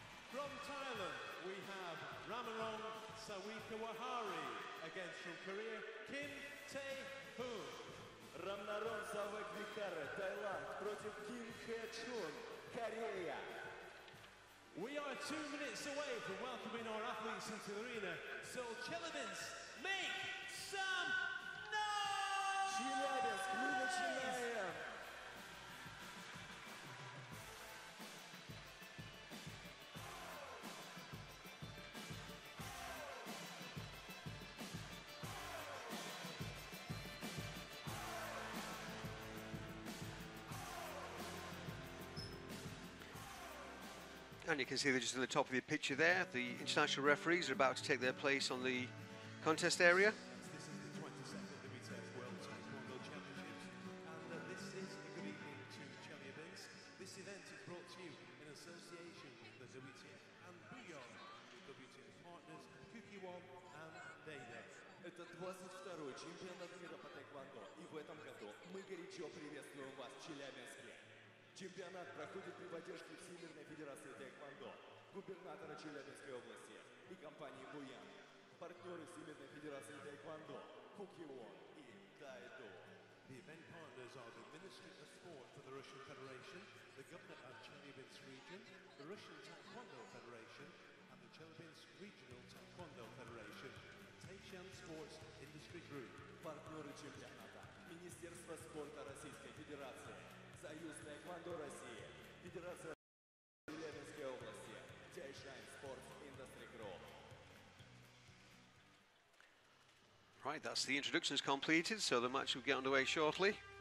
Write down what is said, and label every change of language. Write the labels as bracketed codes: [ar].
[en] From Thailand, we have Ramanong Sawikawahari against, from Korea, Kim Tae-hoon. [ru] Рамнарон Савакбихара, Таиланд, против Ким Хэ Чун, Корея. [en] We are 2 minutes away from welcoming our athletes into the arena. So, Челябинск, make some noise! [ru] Челябинск, мы начинаем! [en] And you can see they're just in the top of your picture there. The international referees are about to take their place on the contest area. This is the 22nd of the BTF World Taekwondo Championships. And this is a good evening to Chelyabinsk. This event is brought to you in association with the WTF and beyond. The WTF partners, Kuki Wong and Dayday. [ru] Это 22-й чемпионат мира по Тэквондо. И в этом году мы горячо приветствуем вас, Челябинске. Чемпионат проходит при поддержке Всемирной Федерации Тэквондо, губернатора Челябинской области и компании «Буян». Партнеры Всемирной Федерации Тэквондо – Куки Вон и Тайду. [en] The event partners are the Ministry of Sport for the Russian Federation, the Governor of Chelyabinsk Region, the Russian Taekwondo Federation and the Chelyabinsk Regional Taekwondo Federation, Taishan Sports Industry Group. [ru] Партнеры чемпионата – Министерство спорта Российской Федерации, Союз Тэквондо России, Федерация Челябинской области, Тайшань Спортс Индустри Групп. [en] Right, that's the introductions completed, so the match will get underway shortly.